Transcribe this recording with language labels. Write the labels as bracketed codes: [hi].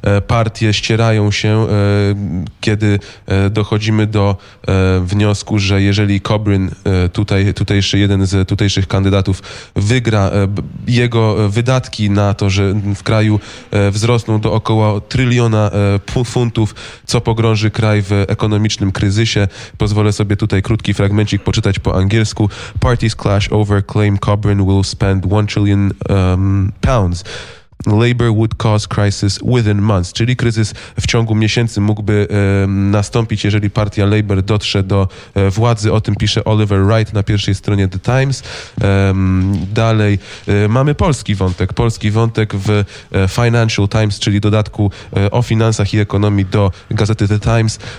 [pl] Partie ścierają się, kiedy dochodzimy do wniosku, że jeżeli Corbyn, tutejszy jeden z tutejszych kandydatów, wygra, jego wydatki na to, że w kraju wzrosną do około tryliona funtów, co pogrąży kraj w ekonomicznym kryzysie. Pozwolę sobie tutaj krótki fragmencik poczytać po angielsku. [en] Parties clash over claim Corbyn will spend £1 trillion pounds. Labour would cause crisis within months, [pl] czyli kryzys w ciągu miesięcy mógłby nastąpić, jeżeli partia Labour dotrze do władzy. O tym pisze Oliver Wright na pierwszej stronie The Times. Dalej mamy polski wątek w Financial Times, czyli dodatku o finansach i ekonomii do gazety The Times.